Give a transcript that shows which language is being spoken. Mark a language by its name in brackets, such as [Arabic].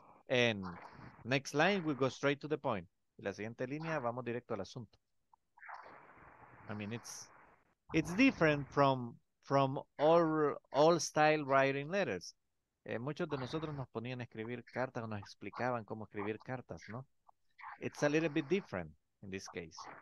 [English] And next line, we go straight to the point. [Spanish] La siguiente línea, vamos directo al asunto. [English] I mean, it's different from all style writing letters. [Spanish] Muchos de nosotros nos ponían a escribir cartas, nos explicaban cómo escribir cartas, ¿no? [English] It's a little bit different in this case.